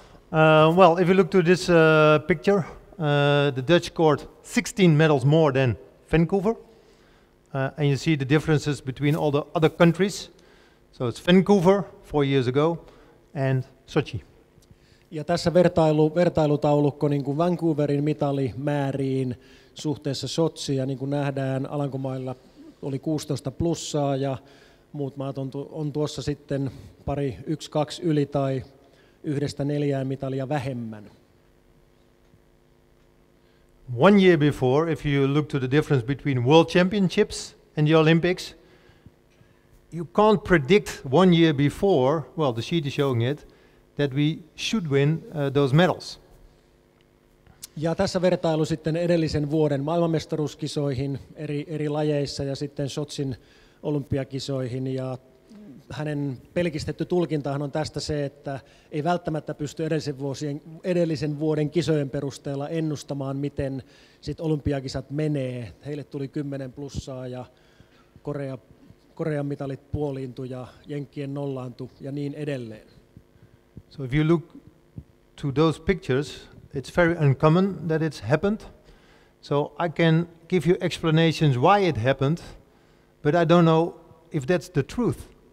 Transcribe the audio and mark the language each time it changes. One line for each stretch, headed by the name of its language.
English: Well, if you look to this picture, the Dutch scored 16 medals more than Vancouver. And you see the differences between all the other countries. So it's Vancouver 4 years ago and Sochi.
Finnish: Ja tässä vertailutaulukko niin kuin Vancouverin mitalimääriin suhteessa Sotsiin, ja niin kuin nähdään, Alankomailla oli 16 plussaa ja muut maat on tuossa sitten pari 1-2 yli tai 1-4 mitalia vähemmän.
English: One year before, if you look to the difference between World Championships and the Olympics, you can't predict 1 year before, well, the sheet is showing it, that we should win those medals.
Finnish: Ja tässä vertailu sitten edellisen vuoden maailmanmestaruuskisoihin eri lajeissa ja sitten Sotsin olympiakisoihin. Ja hänen pelkistetty tulkintahan on tästä se, että ei välttämättä pysty edellisen vuoden kisojen perusteella ennustamaan, miten sit olympiakisat menee. Heille tuli 10 plussaa ja Korean mitalit puoliintui ja Jenkkien nollaantui ja niin edelleen.
English: So if you look to those pictures, it's very uncommon that it's happened. So I can give you explanations why it happened, but I don't know if that's the truth.